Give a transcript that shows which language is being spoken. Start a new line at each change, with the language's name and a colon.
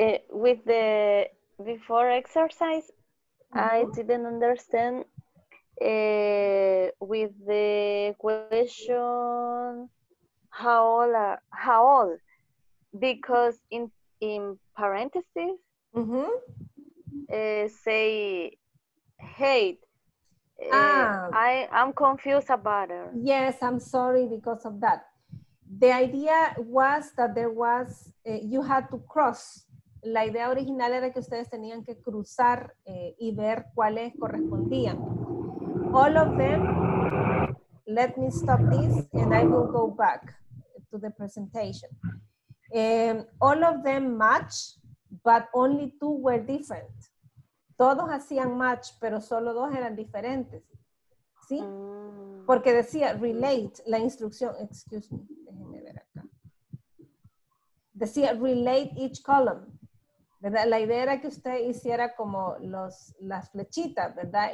English: With the before exercise, I didn't understand with the question how old, because in parentheses, mm-hmm. Say height. I'm confused about her. Yes, I'm sorry because of that. The idea was that there was, you had to cross.
Spanish: La idea original era que ustedes tenían que cruzar y ver cuáles correspondían.
English: All of them, let me stop this and I will go back to the presentation. All of them match, but only two were different.
Spanish: Todos hacían match, pero solo dos eran diferentes, ¿sí? Porque decía relate la instrucción,
English: excuse me,
Spanish: déjenme ver acá. Decía
English: relate each column,
Spanish: ¿verdad? La idea era que usted hiciera como las flechitas, ¿verdad?